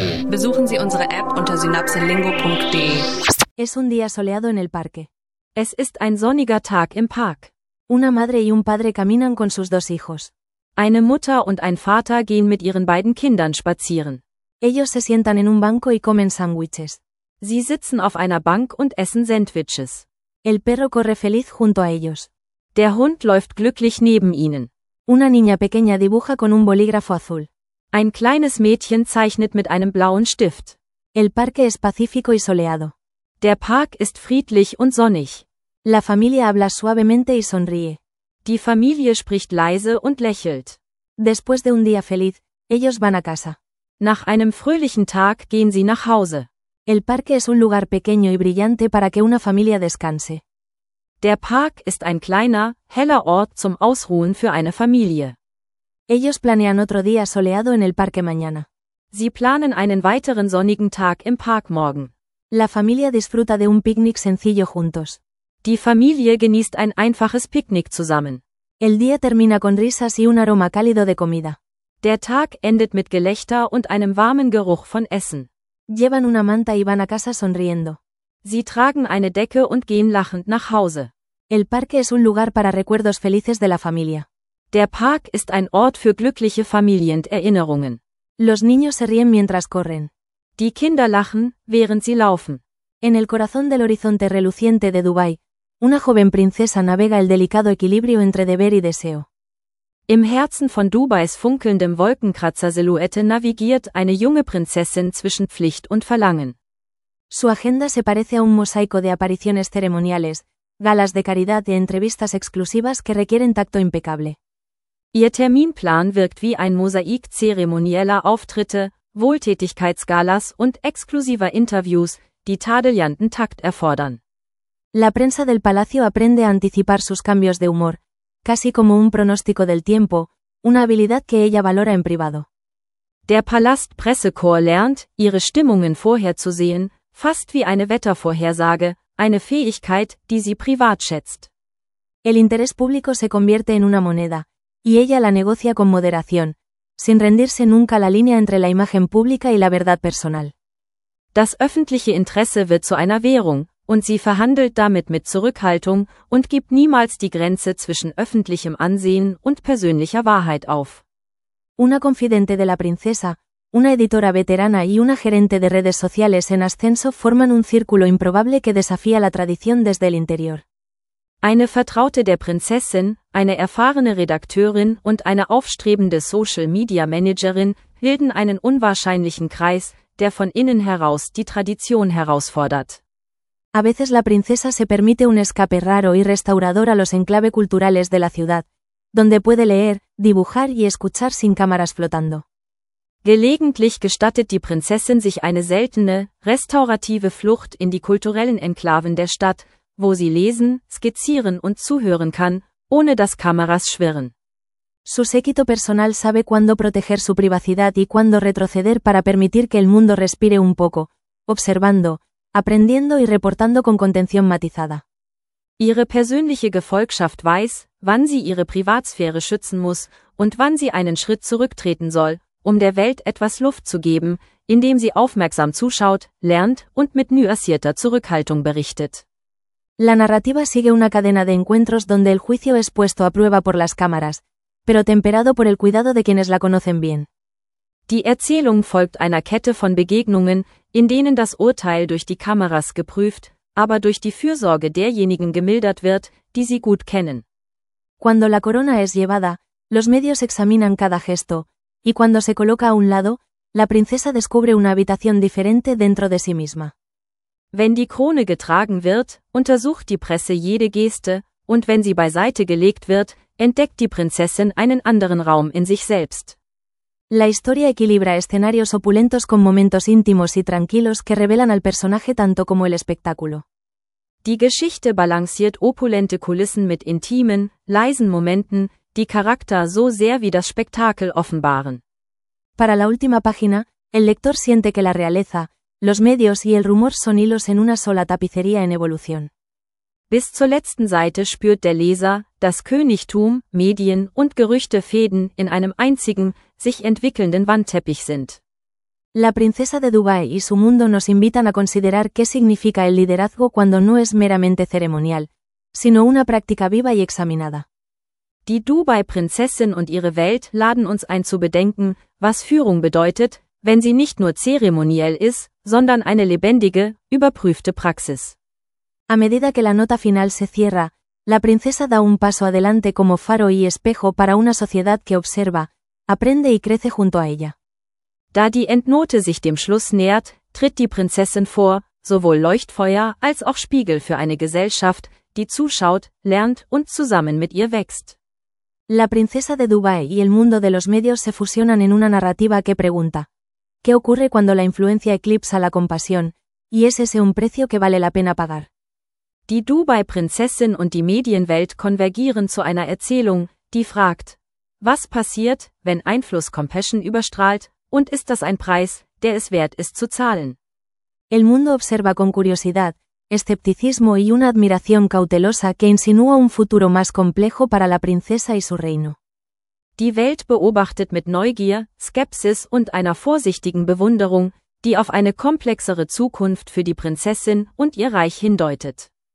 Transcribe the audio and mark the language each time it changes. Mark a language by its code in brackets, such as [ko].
[de] Besuchen Sie unsere App unter synapselingo.de. [es] Es un día soleado en el parque. [de] Es ist ein sonniger Tag im Park. [es] Una madre y un padre caminan con sus dos hijos. [de] Eine Mutter und ein Vater gehen mit ihren beiden Kindern spazieren. [es] Ellos se sientan en un banco y comen sándwiches. [de] Sie sitzen auf einer Bank und essen Sandwiches. [es] El perro corre feliz junto a ellos. [de] Der Hund läuft glücklich neben ihnen. [es] Una niña pequeña dibuja con un bolígrafo azul. [de] Ein kleines Mädchen zeichnet mit einem blauen Stift. [es] El parque es pacífico y soleado. [de] Der Park ist friedlich und sonnig. [es] La familia habla suavemente y sonríe. [de] Die Familie spricht leise und lächelt. [es] Después de un día feliz, ellos van a casa. [de] Nach einem fröhlichen Tag gehen sie nach Hause. [es] El parque es un lugar pequeño y brillante para que una familia descanse. [de] Der Park ist ein kleiner, heller Ort zum Ausruhen für eine Familie. [es] Ellos planean otro día soleado en el parque mañana. [de] Sie planen einen weiteren sonnigen Tag im Park morgen. [es] La familia disfruta de un picnic sencillo juntos. [de] Die Familie genießt ein einfaches Picknick zusammen. [es] El día termina con risas y un aroma cálido de comida. [de] Der Tag endet mit Gelächter und einem warmen Geruch von Essen. [es] Llevan una manta y van a casa sonriendo. [de] Sie tragen eine Decke und gehen lachend nach Hause. [es] El parque es un lugar para recuerdos felices de la familia. [de] Der Park ist ein Ort für glückliche Familienerinnerungen. [es] Los niños se ríen mientras corren. [de] Die Kinder lachen, während sie laufen. [es] En el corazón del horizonte reluciente de Dubái, una joven princesa navega el delicado equilibrio entre deber y deseo. [de] Im Herzen von Dubais funkelndem Wolkenkratzer-Silhouette navigiert eine junge Prinzessin zwischen Pflicht und Verlangen. [es] Su agenda se parece a un mosaico de apariciones ceremoniales, galas de caridad y entrevistas exclusivas que requieren tacto impecable. [de] Ihr Terminplan wirkt wie ein Mosaik zeremonieller Auftritte, Wohltätigkeitsgalas und exklusiver Interviews, die tadelianten Takt erfordern. [es] La prensa del palacio aprende a anticipar sus cambios de humor, casi como un pronóstico del tiempo, una habilidad que ella valora en privado. [de] Der Palastpressekorps lernt, ihre Stimmungen vorherzusehen, fast wie eine Wettervorhersage, eine Fähigkeit, die sie privat schätzt. [es] El interés público se convierte en una moneda, y ella la negocia con moderación, sin rendirse nunca la línea entre la imagen pública y la verdad personal. [de] Das öffentliche Interesse wird zu einer Währung, und sie verhandelt damit mit Zurückhaltung und gibt niemals die Grenze zwischen öffentlichem Ansehen und persönlicher Wahrheit auf. [es] Una confidente de la princesa, una editora veterana y una gerente de redes sociales en ascenso forman un círculo improbable que desafía la tradición desde el interior. [de] Eine Vertraute der Prinzessin, eine erfahrene Redakteurin und eine aufstrebende Social Media Managerin bilden einen unwahrscheinlichen Kreis, der von innen heraus die Tradition herausfordert. [es] A veces la princesa se permite un escape raro y restaurador a los enclaves culturales de la ciudad, donde puede leer, dibujar y escuchar sin cámaras flotando. [de] Gelegentlich gestattet die Prinzessin sich eine seltene, restaurative Flucht in die kulturellen Enklaven der Stadt, wo sie lesen, skizzieren und zuhören kann, ohne dass Kameras schwirren. [es] Su séquito personal sabe cuándo proteger su privacidad y cuándo retroceder para permitir que el mundo respire un poco, observando, aprendiendo y reportando con contención matizada. [de] Ihre persönliche Gefolgschaft weiß, wann sie ihre Privatsphäre schützen muss und wann sie einen Schritt zurücktreten soll, um der Welt etwas Luft zu geben, indem sie aufmerksam zuschaut, lernt und mit nuancierter Zurückhaltung berichtet. [es] La narrativa sigue una cadena de encuentros donde el juicio es puesto a prueba por las cámaras, pero temperado por el cuidado de quienes la conocen bien. [de] Die Erzählung folgt einer Kette von Begegnungen, in denen das Urteil durch die Kameras geprüft, aber durch die Fürsorge derjenigen gemildert wird, die sie gut kennen. [es] Cuando la corona es llevada, los medios examinan cada gesto, y cuando se coloca a un lado, la princesa descubre una habitación diferente dentro de sí misma. [de] Wenn die Krone getragen wird, untersucht die Presse jede Geste, und wenn sie beiseite gelegt wird, entdeckt die Prinzessin einen anderen Raum in sich selbst. [es] La historia equilibra escenarios opulentos con momentos íntimos y tranquilos que revelan al personaje tanto como el espectáculo. [de] Die Geschichte balanciert opulente Kulissen mit intimen, leisen Momenten, die Charakter so sehr wie das Spektakel offenbaren. [es] Para la última página, el lector siente que la realeza, los medios y el rumor son hilos en una sola tapicería en evolución. [de] Bis zur letzten Seite spürt der Leser, dass Königtum, Medien und Gerüchte Fäden in einem einzigen, sich entwickelnden Wandteppich sind. [es] La princesa de Dubái y su mundo nos invitan a considerar qué significa el liderazgo cuando no es meramente ceremonial, sino una práctica viva y examinada. [de] Die Dubai-Prinzessin und ihre Welt laden uns ein zu bedenken, was Führung bedeutet, wenn sie nicht nur zeremoniell ist, sondern eine lebendige, überprüfte Praxis. [es] A medida que la nota final se cierra, la princesa da un paso adelante como faro y espejo para una sociedad que observa, aprende y crece junto a ella. [de] Da die Endnote sich dem Schluss nähert, tritt die Prinzessin vor, sowohl Leuchtfeuer als auch Spiegel für eine Gesellschaft, die zuschaut, lernt und zusammen mit ihr wächst. [es] La princesa de Dubái y el mundo de los medios se fusionan en una narrativa que pregunta: ¿qué ocurre cuando la influencia eclipsa la compasión? Y es ese un precio que vale la pena pagar. [de] Die Dubai-Prinzessin und die Medienwelt konvergieren zu einer Erzählung, die fragt: Was passiert, wenn Einfluss Compassion überstrahlt, und ist das ein Preis, der es wert ist zu zahlen? [es] El mundo observa con curiosidad, escepticismo y una admiración cautelosa que insinúa un futuro más complejo para la princesa y su reino. [de] Die Welt beobachtet mit Neugier, Skepsis und einer vorsichtigen Bewunderung, die auf eine komplexere Zukunft für die Prinzessin und ihr Reich hindeutet.